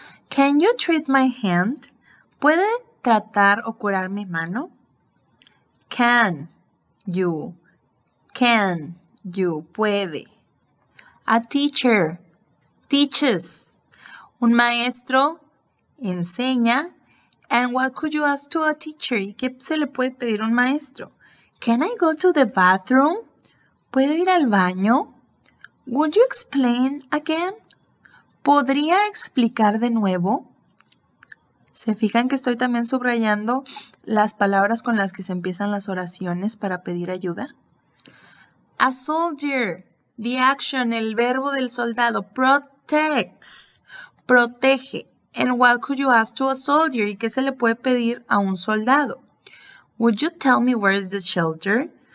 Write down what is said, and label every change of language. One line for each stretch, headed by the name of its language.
English: Can you treat my hand?
Spanish: ¿Puede tratar o curar mi mano?
English: Can you,
Spanish: puede.
English: A teacher, teaches.
Spanish: Un maestro, enseña.
English: And what could you ask to a teacher?
Spanish: ¿Y qué se le puede pedir a un maestro?
English: Can I go to the bathroom?
Spanish: ¿Puedo ir al baño?
English: Would you explain again?
Spanish: ¿Podría explicar de nuevo? ¿Se fijan que estoy también subrayando las palabras con las que se empiezan las oraciones para pedir ayuda?
English: A soldier, the action,
Spanish: el verbo del soldado, protects, protege.
English: And what could you ask to a soldier?
Spanish: ¿Y qué se le puede pedir a un soldado?
English: Would you tell me where is the shelter?